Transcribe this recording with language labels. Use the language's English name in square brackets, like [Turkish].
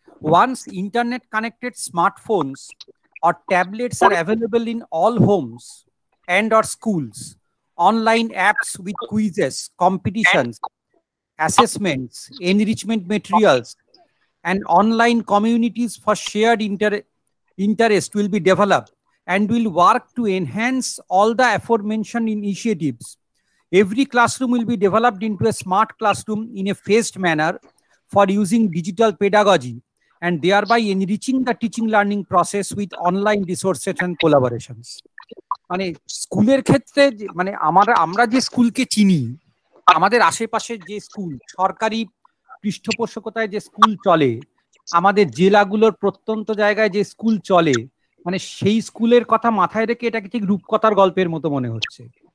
[English] Once internet connected smartphones or tablets are available in all homes and or schools, online apps with quizzes, competitions, assessments, enrichment materials and online communities for shared interest will be develop and will work to enhance all the aforementioned initiatives. Every classroom will be developed into a smart classroom in a phased manner for using digital pedagogy and thereby enriching the teaching learning process with online resources and collaborations. [Bangla] মানে স্কুলের ক্ষেত্রে মানে আমাদের আমরা যে স্কুলকে চিনি আমাদের আশেপাশে যে স্কুল সরকারি পৃষ্ঠপোষকতায় যে স্কুল চলে আমাদের জেলাগুলোর প্রত্যন্ত জায়গায় যে স্কুল চলে মানে সেই স্কুলের কথা মাথায় রেখে এটা ঠিক রূপকথার গল্পের মতো মনে হচ্ছে।